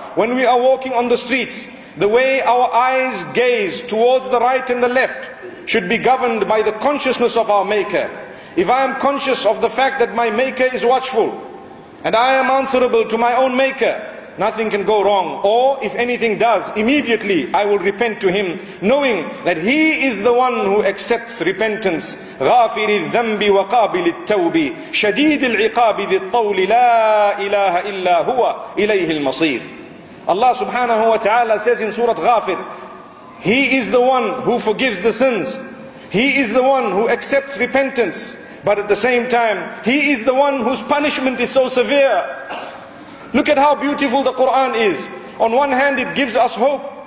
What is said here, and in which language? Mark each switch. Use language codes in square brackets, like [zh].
[en] When we are walking on the streets, the way our eyes gaze towards the right and the left should be governed by the consciousness of our maker. If I am conscious of the fact that my maker is watchful and I am answerable to my own maker, nothing can go wrong. Or if anything does, immediately I will repent to him, knowing that he is the one who accepts repentance. [ar] غافر الذنب وقابل التوب شديد العقاب ذي الطول لا إله إلا هو إليه المصير. [en] Allah subhanahu wa ta'ala says in Surah Ghafir, he is the one who forgives the sins. He is the one who accepts repentance. But at the same time, he is the one whose punishment is so severe. Look at how beautiful the Quran is. On one hand, it gives us hope.